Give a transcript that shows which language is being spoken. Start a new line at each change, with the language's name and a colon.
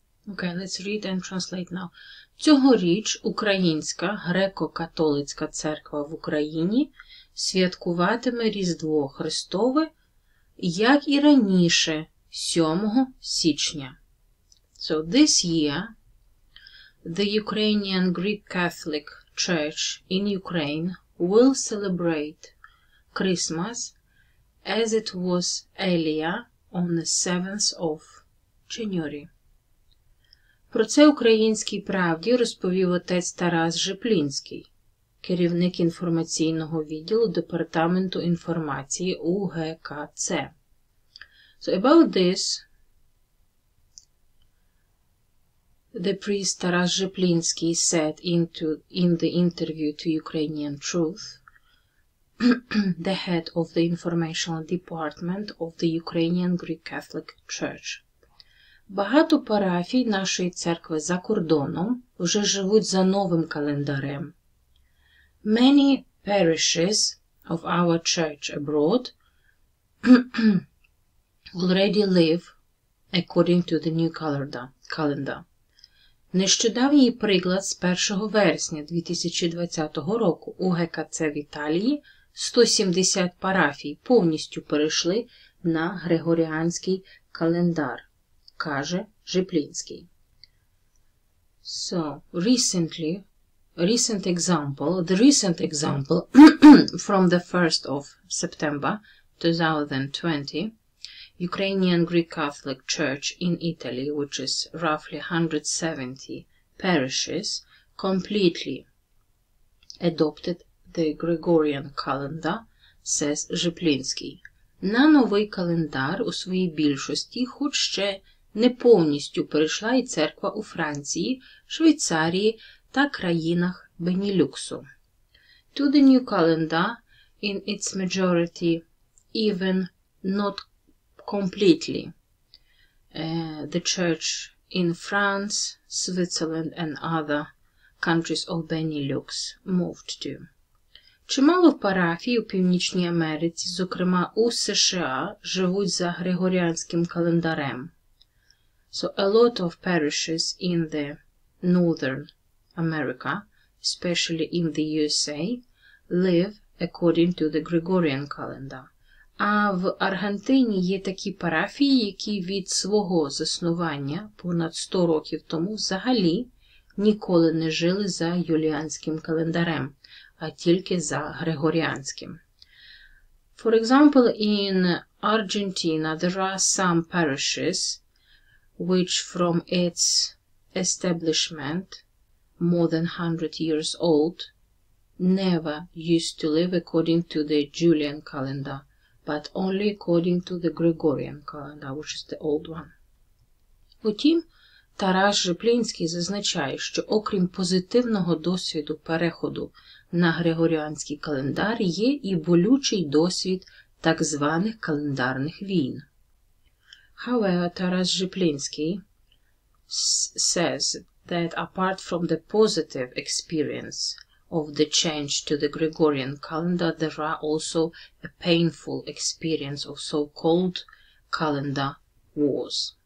English: Okay, let's read and translate now.
Ukrainian: Цьогоріч Українська греко-католицька церква в Україні святкуватиме Різдво Христове, як і раніше, 7 січня.
English: So this year, the Ukrainian Greek Catholic Church in Ukraine will celebrate Christmas as it was earlier on the 7th of January.
Ukrainian: Про це Українській правді розповів отець Тарас Жеплінський, керівник інформаційного відділу Департаменту інформації УГКЦ.
English: So about this, the priest Taras Zheplinsky said in the interview to Ukrainian Truth, the head of the information department of the Ukrainian Greek Catholic Church.
Ukrainian: Багато парафій нашої церкви за кордоном вже живуть за новим календарем.
English: Many parishes of our church abroad already live according to the new calendar.
Ukrainian: Нещодавній приклад з 1 вересня 2020 року у ГКЦ в Італії 170 парафій повністю перейшли на Григоріанський календар, каже Жиплінський.
English: So, the recent example from the 1st of September 2020, Ukrainian Greek Catholic Church in Italy, which is roughly 170 parishes, completely adopted the Gregorian calendar, says Жиплінський.
Ukrainian: На новий календар у своїй більшості хоч ще не повністю перейшла і церква у Франції, Швейцарії та країнах Бенілюксу.
English: To the new calendar, in its majority, even not completely, the church in France, Switzerland and other countries of Benelux moved to.
Ukrainian: Чимало парафій у Північній Америці, зокрема у США, живуть за Григоріанським календарем.
English: So a lot of parishes in the Northern America, especially in the USA, live according to the Gregorian calendar.
Ukrainian: А в Аргентині є такі парафії, які від свого заснування понад 100 років тому взагалі ніколи не жили за юліанським календарем, а тільки за григоріанським.
English: For example, in Argentina there are some parishes which from its establishment more than 100 years old never used to live according to the Julian calendar, but only according to the Gregorian calendar, which is the old one.
Ukrainian: Утім, Тарас Жиплінський зазначає, що окрім позитивного досвіду переходу на Григоріанський календар, є і болючий досвід так званих календарних війн.
English: However, Тарас Жиплінський says that apart from the positive experience of the change to the Gregorian calendar, there are also a painful experience of so-called calendar wars.